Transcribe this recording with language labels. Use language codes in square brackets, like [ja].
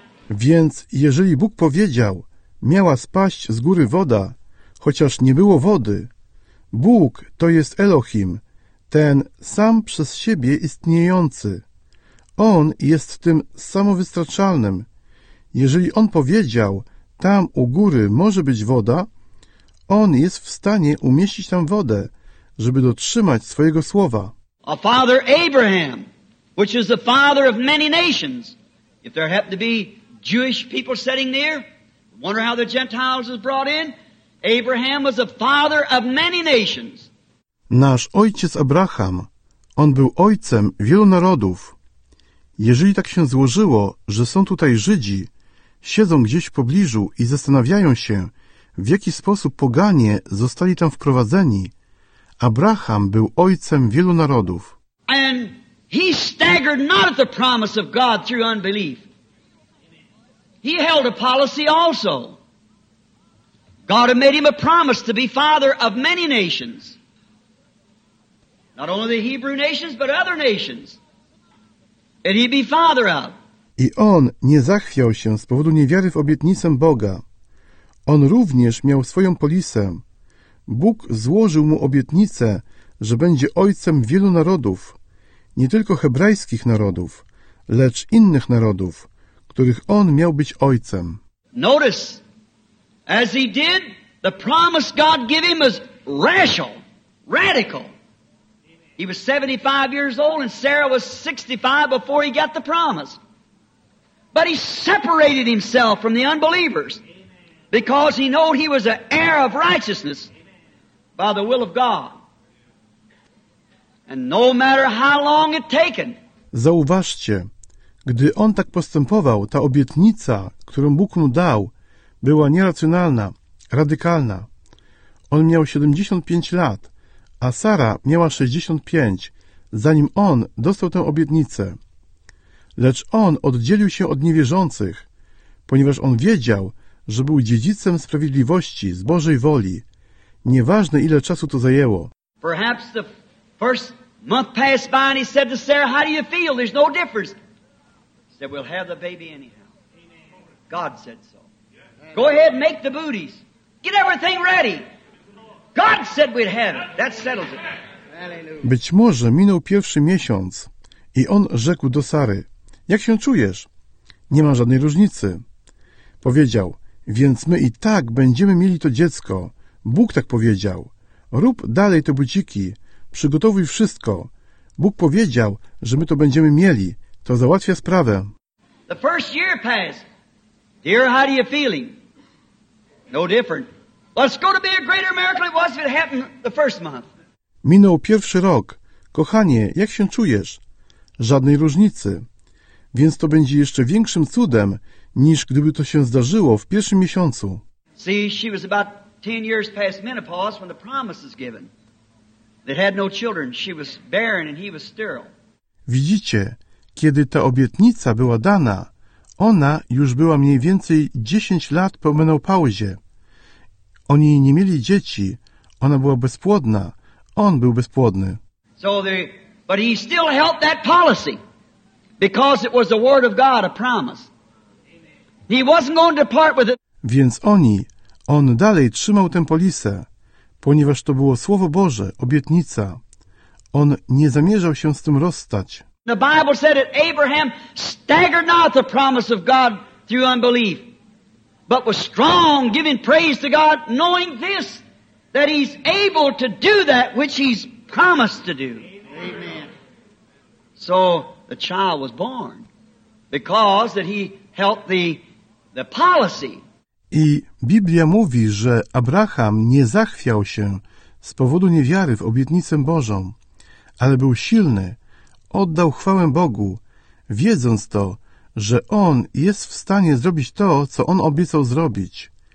[pl] Więc jeżeli Bóg powiedział, miała spaść z góry woda, chociaż nie było wody, Bóg to jest Elohim, ten sam przez siebie istniejący. On jest tym samowystarczalnym. Jeżeli on powiedział, tam u góry może być woda, on jest w stanie umieścić tam wodę, żeby dotrzymać swojego słowa. [en] A father Abraham, which is the father of many nations. If there happened to be Jewish people sitting there, wonder how the Gentiles was brought in. Abraham was the father of many nations. [pl] Nasz ojciec Abraham, on był ojcem wielu narodów. Jeżeli tak się złożyło, że są tutaj Żydzi, siedzą gdzieś w pobliżu i zastanawiają się, w jaki sposób poganie zostali tam wprowadzeni, Abraham był ojcem wielu narodów. [en] And he staggered not at the promise of God through unbelief. He held a policy also. God had made him a promise to be father of many nations. Not only the Hebrew nations, but other nations. And he'd be father of. [pl] I on nie zachwiał się z powodu niewiary w obietnicę Boga. On również miał swoją polisę. Bóg złożył mu obietnicę, że będzie ojcem wielu narodów, nie tylko hebrajskich narodów, lecz innych narodów, których on miał być ojcem. [en] Notice, as he did, the promise God gave him was rational, radical. He was 75 years old and Sarah was 65 before he got the promise. But he separated himself from the unbelievers because he knew he was an heir of righteousness by the will of God. And no matter how long it taken. [pl] Zauważcie, gdy on tak postępował, ta obietnica, którą Bóg mu dał, była nieracjonalna, radykalna. On miał 75 lat, a Sara miała 65, zanim on dostał tę obietnicę. Lecz on oddzielił się od niewierzących, ponieważ on wiedział, że był dziedzicem sprawiedliwości z Bożej woli, nieważne ile czasu to zajęło. [en] Perhaps the first month passed by and he said to Sarah, how do you feel? There's no difference. He said, we'll have the baby anyhow. God said so. Go ahead, make the booties. Get everything ready. God said we'd have it. That settles it. [pl] Być może minął pierwszy miesiąc i on rzekł do Sary, jak się czujesz? Nie ma żadnej różnicy. Powiedział, więc my i tak będziemy mieli to dziecko. Bóg tak powiedział. Rób dalej te buciki. Przygotowuj wszystko. Bóg powiedział, że my to będziemy mieli. To załatwia sprawę. [en] The first year passed. Dear, how do you feeling? No different. Well, it's going to be a greater miracle it was if it happened the first month. [pl] Minął pierwszy rok. Kochanie, jak się czujesz? Żadnej różnicy. Więc to będzie jeszcze większym cudem, niż gdyby to się zdarzyło w pierwszym miesiącu. [en] See, she was about 10 years past menopause when the promise was given. They had no children. She was barren and he was sterile. [pl] Widzicie, kiedy ta obietnica była dana, ona już była mniej więcej 10 lat po menopauzie. Oni nie mieli dzieci. Ona była bezpłodna. On był bezpłodny. [en] So the, but he still held that policy. Because it was the word of God, a promise. He wasn't going to depart with it. [pl] Więc oni, on dalej trzymał tę polisę, ponieważ to było Słowo Boże, obietnica. On nie zamierzał się z tym rozstać. [en] The Bible said that Abraham staggered not the promise of God through unbelief, but was strong, giving praise to God, knowing this, that he's able to do that which he's promised to do. Amen. So the child was born because that he helped the policy. [pl] I Biblia mówi, że Abraham nie zachwiał się z powodu niewiary w obietnicę Bożą, ale był silny, oddał chwałę Bogu, wiedząc to, że on jest w stanie zrobić to, co on obiecał zrobić.